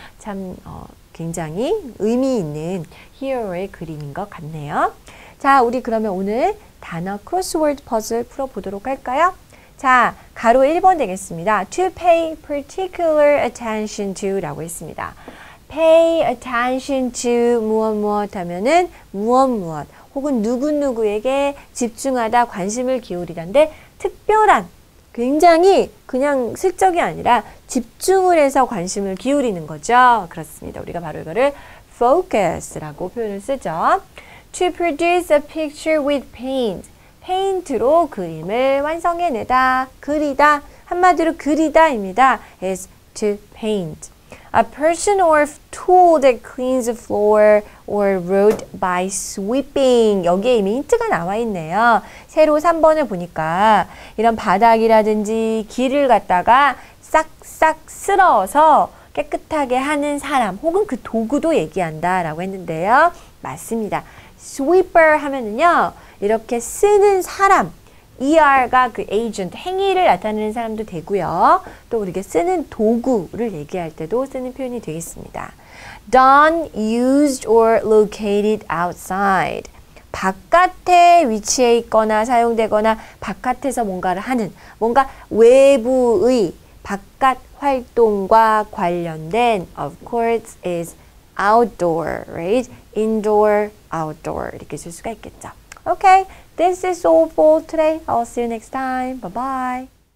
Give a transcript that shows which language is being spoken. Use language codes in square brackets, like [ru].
[ko] 참 굉장히 의미 있는 히어로의 그림인 것 같네요. 자, 우리 그러면 오늘 단어 크로스워드 퍼즐 풀어보도록 할까요? 자, 가로 1번 되겠습니다. [en] To pay particular attention to [ko] 라고 했습니다. [en] Pay attention to [ko] 무엇무엇 하면은 무엇무엇 혹은 누구누구에게 집중하다 관심을 기울이다인데 특별한 굉장히 그냥 슬쩍이 아니라 집중을 해서 관심을 기울이는 거죠. 그렇습니다. 우리가 바로 이거를 focus라고 표현을 쓰죠. [en] To produce a picture with paint. [ko] 페인트로 그림을 완성해내다, 그리다, 한마디로 그리다입니다. [en] is to paint. A person or tool that cleans a floor or road by sweeping. [ko] 여기에 이미 힌트가 나와 있네요. 세로 3번을 보니까 이런 바닥이라든지 길을 갖다가 싹싹 쓸어서 깨끗하게 하는 사람 혹은 그 도구도 얘기한다라고 했는데요. 맞습니다. Sweeper 하면은요. 이렇게 쓰는 사람, ER가 그 agent, 행위를 나타내는 사람도 되고요. 또 우리가 쓰는 도구를 얘기할 때도 쓰는 표현이 되겠습니다. [en] Done, used, or located outside. [ko] 바깥에 위치해 있거나 사용되거나 바깥에서 뭔가를 하는, 뭔가 외부의 바깥 활동과 관련된 [en] of course is outdoor, right? Indoor, outdoor [ko] 이렇게 쓸 수가 있겠죠. [en] Okay, this is all for today. I'll see you next time. Bye-bye.